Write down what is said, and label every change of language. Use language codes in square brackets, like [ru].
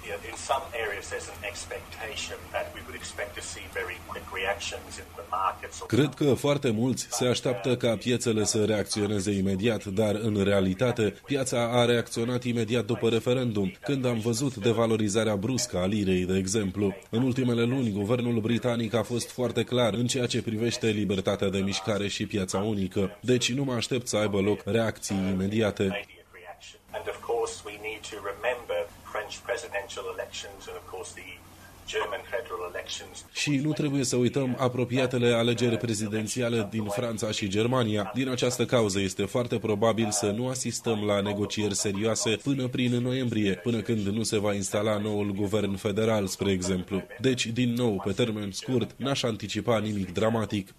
[en] In some areas there's an expectation that we would expect to see very quick reactions in the markets. [ro] Cred că foarte mulți se așteaptă ca piețele să reacționeze imediat, dar în realitate piața a reacționat imediat după referendum, când am văzut devalorizarea bruscă a lirei, de exemplu. În ultimele luni, guvernul britanic a fost foarte clar în ceea ce privește libertatea de mișcare și piața unică, deci nu mă aștept să aibă loc reacții imediate. [en] And of course we need to remember French presidential elections and of course the German federal elections. [ro] Și nu trebuie să uităm apropiatele alegeri prezidențiale din Franța și Germania. Din această cauză este foarte probabil să nu asistăm la negocieri serioase până prin noiembrie, până când nu se va instala noul guvern federal, spre exemplu. Deci, din nou, pe termen scurt, n-aș anticipa nimic dramatic.